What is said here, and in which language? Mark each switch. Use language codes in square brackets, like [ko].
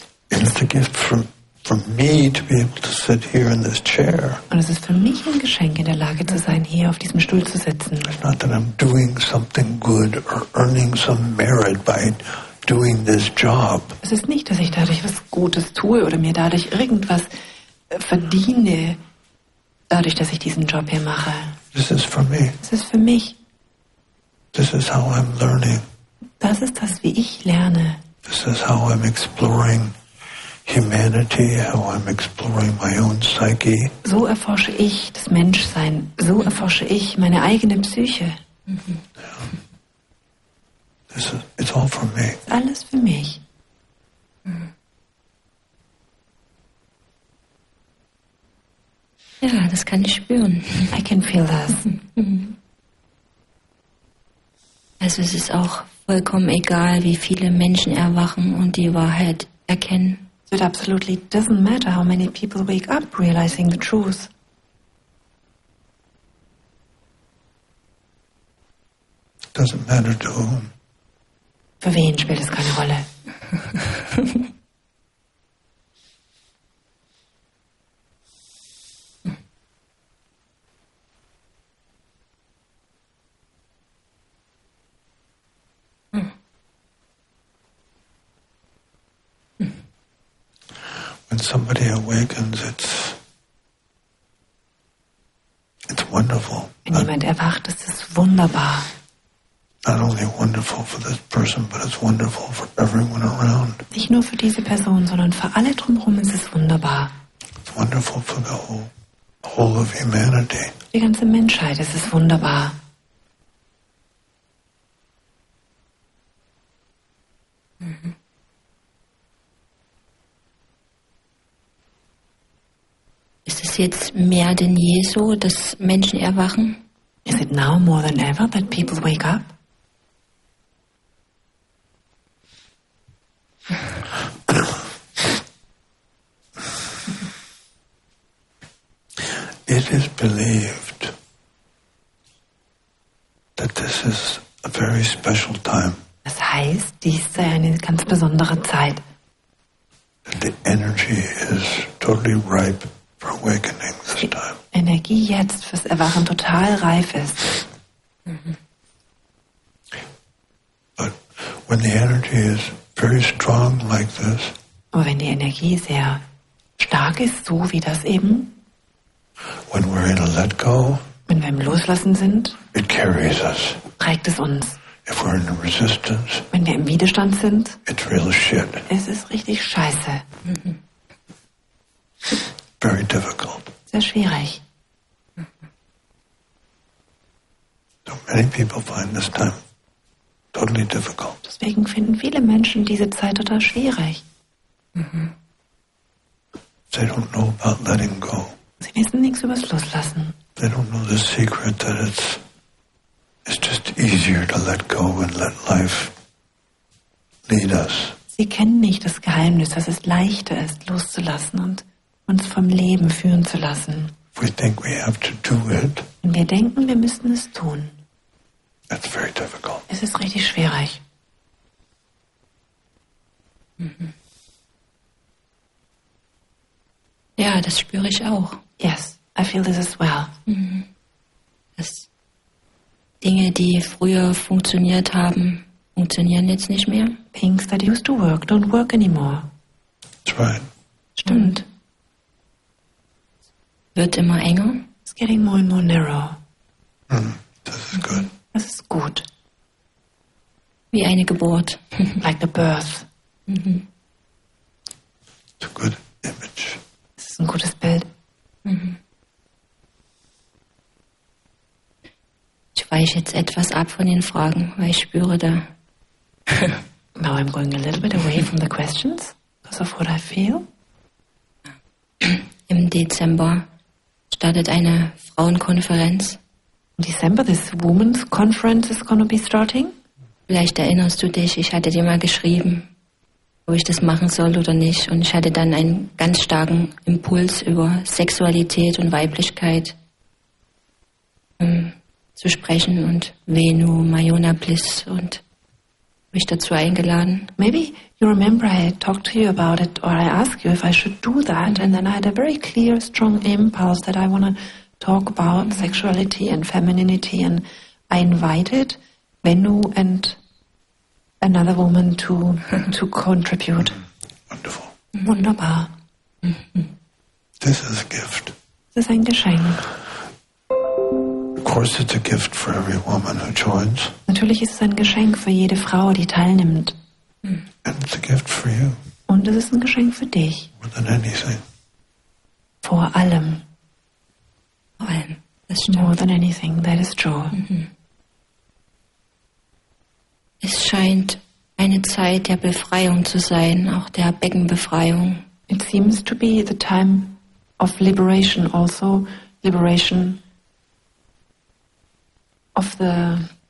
[en] It's a gift for me to be able to sit here in this chair. [de] Und es ist für mich ein Geschenk, in der Lage zu sein, hier auf diesem Stuhl zu sitzen. [en] It's not that I'm doing something good or earning some merit by doing this job. [de] Es ist nicht, dass ich dadurch was Gutes tue oder mir dadurch irgendwas verdiene, dadurch, dass ich diesen Job hier mache. [en] This is for me. [de] Es ist für mich. [en] This is how I'm learning. [de] Das ist das, wie ich lerne. [en] This is how I'm exploring humanity, how I'm exploring my own psyche. [de] So erforsche ich das Menschsein. So erforsche ich meine eigene Psyche. [en] Yeah. This is, it's all for me. [de] Alles für mich. Ja, das kann ich spüren. [en] I can feel that. [de] Also es ist auch vollkommen egal, wie viele Menschen erwachen und die Wahrheit erkennen. [en] So it absolutely doesn't matter how many people wake up realizing the truth. Doesn't matter to whom. [de] Für wen spielt es keine Rolle? [en] When somebody awakens, it's wonderful. [de] Wenn jemand erwacht, ist es wunderbar. [en] Not only wonderful for this person, but it's wonderful for everyone around. [de] Nicht nur für diese Person, sondern für alle drumherum ist es wunderbar. [en] It's wonderful for the whole of humanity. [de] Die ganze Menschheit, es ist wunderbar. Ist es jetzt mehr denn je so, dass Menschen erwachen? [en] Is it now more than ever that people wake up? It is believed that this is a very special time. [de] Das heißt, dies sei eine ganz besondere Zeit. [en] The energy is totally ripe. awakening this time. [de] Energie jetzt fürs Erwachen total reif ist. [en] But when the energy is very strong like this. [de] Aber wenn die Energie sehr stark ist, so wie das eben. [en] When we're in a let go. [de] Wenn wir im Loslassen sind. [en] It carries us. [de] Trägt es uns. [en] If we're in resistance. [de] Wenn wir im Widerstand sind. [en] It's real shit. [de] Es ist richtig scheiße. [en] Very difficult. [de] Sehr schwierig. [en] So many people find this time totally difficult. [de] Deswegen finden viele Menschen diese Zeit total schwierig. [en] They don't know about letting go. [de] Sie wissen nichts über das Loslassen. [en] They don't know the secret that it's just easier to let go and let life lead us. [de] Sie kennen nicht das Geheimnis, dass es leichter ist, loszulassen und uns vom Leben führen zu lassen. [en] If we think we have to do it, [de] wenn wir denken, wir müssen es tun, [en] that's very difficult. [de] Es ist richtig schwierig. Ja, das spüre ich auch. [en] Yes, I feel this as well. [de] Dass Dinge, die früher funktioniert haben, funktionieren jetzt nicht mehr. [en] Things that used to work don't work anymore. That's right. [de] Stimmt. Wird immer enger. [en] It's getting more and more narrow. This is good. [de] Das ist gut. Wie eine Geburt. [en] Like a birth. It's a good image. [de] Das ist ein gutes Bild. Ich weiche jetzt etwas ab von den Fragen, weil ich spüre da. [en] Now I'm going a little bit away from the questions, because of what I feel. [de] Im Dezember startet eine Frauenkonferenz. In December this women's conference is going to be starting. Vielleicht erinnerst du dich, ich hatte dir mal geschrieben, ob ich das machen soll oder nicht. Und ich hatte dann einen ganz starken Impuls über Sexualität und Weiblichkeit zu sprechen und Venu, Mayona Bliss und mich dazu eingeladen. [en] Maybe you remember I talked to you about it or I asked you if I should do that and then I had a very clear, strong impulse that I want to talk about sexuality and femininity and I invited Venu and another woman to contribute. Wonderful. [de] Wunderbar. [en] This is a gift. [de] Das ist ein Geschenk. [en] Of course it's a gift for every woman who joins. [de] Natürlich ist es ein Geschenk für jede Frau, die teilnimmt. [en] And it's a gift for you. [de] Und es ist ein Geschenk für dich. [en] More than anything. [de] Vor allem. [en] That's more than anything, that is true. Mm-hmm. [de] Es scheint eine Zeit der Befreiung zu sein, auch der Beckenbefreiung. [en] It seems to be the time of liberation also, liberation of the...